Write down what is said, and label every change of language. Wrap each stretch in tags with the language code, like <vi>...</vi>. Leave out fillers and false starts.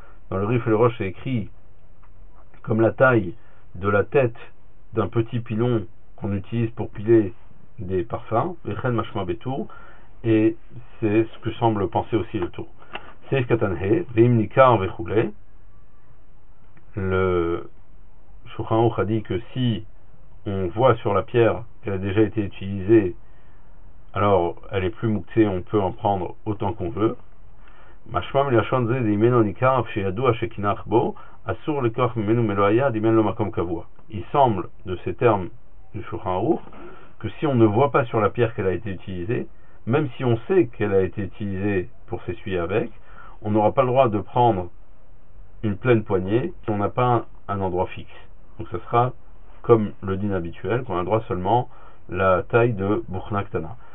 <fr>Dans le Rif et le Rosh, c'est écrit comme la taille de la tête d'un petit pilon qu'on utilise pour piler des parfums,</fr> <he>Vechen Mashma Betour,</he> <fr>et c'est ce que semble penser aussi le tour. Seif Katanhe,</fr> <he>Vim Nikar Vechule.</he> <fr>Le Shulchan Aruch a dit que si on voit sur la pierre qu'elle a déjà été utilisée, alors elle est plus mouktée, on peut en prendre autant qu'on veut.</fr> <he>משמע מלשון זה, דימנו ניכר, אף שידוע שכינח בו, אסור לקוח ממנו מלוא היד, אם אין לו מקום קבוע.</he> <fr>Il semble, de ce terme du Shulchan Aruch, que si on ne voit pas sur la pierre qu'elle a été utilisée, même si on sait qu'elle a été utilisée pour s'essuyer avec, on n'aura pas le droit de prendre une pleine poignée si on n'a pas un endroit fixe. Donc ce sera comme le din habituel, qu'on a le droit seulement la taille de Bukhna Ktana.</fr>